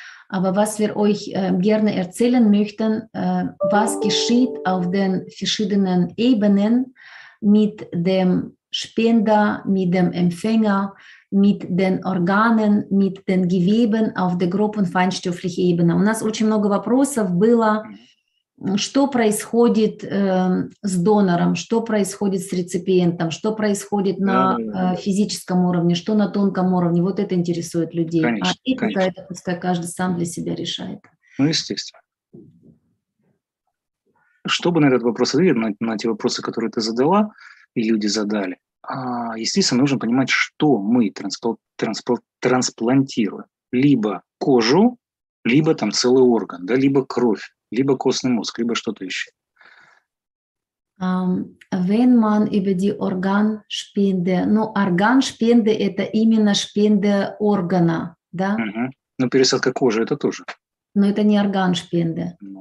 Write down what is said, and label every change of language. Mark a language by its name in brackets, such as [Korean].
[German] Aber was wir euch gerne erzählen möchten, was geschieht auf den verschiedenen Ebenen mit dem Spender, mit dem Empfänger, mit den Organen, mit den Geweben auf der grob- und feinstofflichen Ebene. [Russian] У нас очень много вопросов было. Что происходит с донором, что происходит с реципиентом, что происходит на физическом уровне, что на тонком уровне. Вот это интересует людей. Конечно, а это, пускай каждый сам для себя решает. Ну, естественно. Чтобы на этот вопрос ответить, на те вопросы, которые ты задала, и люди задали, естественно, нужно понимать, что мы трансплантируем. Либо кожу, либо там целый орган, да, либо кровь. Либо костный мозг, либо что-то еще. [German] Wenn man über die Organspende, ну, Organspende – [Russian] это именно [German] Spende [Russian] органа, да? Ну, пересадка кожи – это тоже. Но это не Organspende.